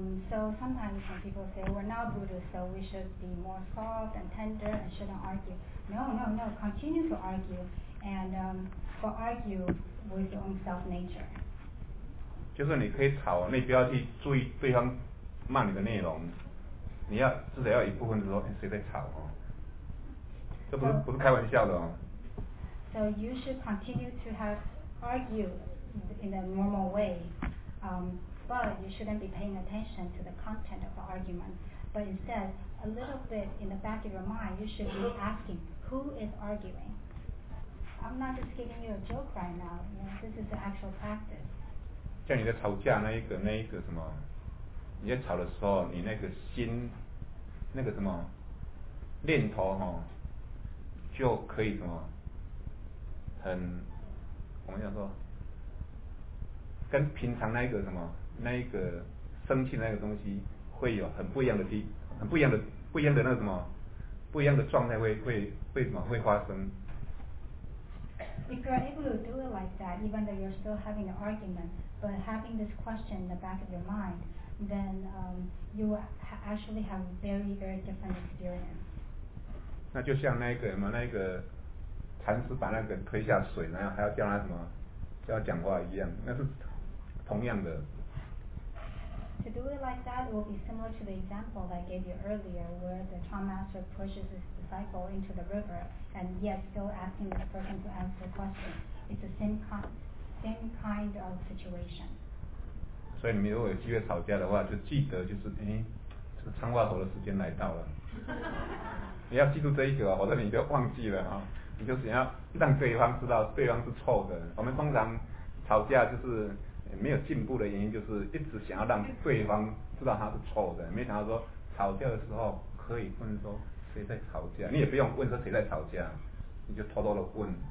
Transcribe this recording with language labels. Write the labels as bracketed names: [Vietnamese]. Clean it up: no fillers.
[English] So sometimes when people say we're now Buddhists, so we should be more soft and tender and shouldn't argue. No. Continue to argue, and but argue with your own self nature. [Chinese] 就是你可以吵，你不要去注意对方骂你的内容，你要至少要一部分的说，哎，谁在吵哦？这不是 [English] so, [Chinese] 不是开玩笑的哦。 [English] So you should continue to have argue in a normal way, but you shouldn't be paying attention to the content of the argument. But instead, a little bit in the back of your mind, you should be asking, who is arguing? I'm not just giving you a joke right now. You know, this is the actual practice. [Chinese] 像你在吵架那一个什么，你在吵的时候，你那个心，那个什么念头哈，就可以什么，很，我们想说，跟平常那个什么那一个生气那个东西，会有很不一样的地，很不一样的那个什么，不一样的状态会什么会发生。 [English] If you're able to do it like that, even though you're still having an argument, but having this question in the back of your mind, then you will actually have very, very different experience. [Chinese] 那就像那个什么那个禅师把那个推下水，然后还要叫他什么叫他讲话一样，那是同样的。 [English] To do it like like that, it will be similar to the example that I gave you earlier where the Chan Master pushes his disciple into the river and yet still asking this person to answer the question. It's the same kind of situation. [Chinese] 所以你们如果有机会吵架的话，就记得就是，哎，这个参话头的时间来到了。你要记住这一个，否则你就忘记了啊。你就是要让对方知道对方是错的。我们通常吵架就是没有进步的原因，就是一直想要让对方知道他是错的，没想到说吵架的时候可以问说谁在吵架，你也不用问说谁在吵架，你就偷偷的问。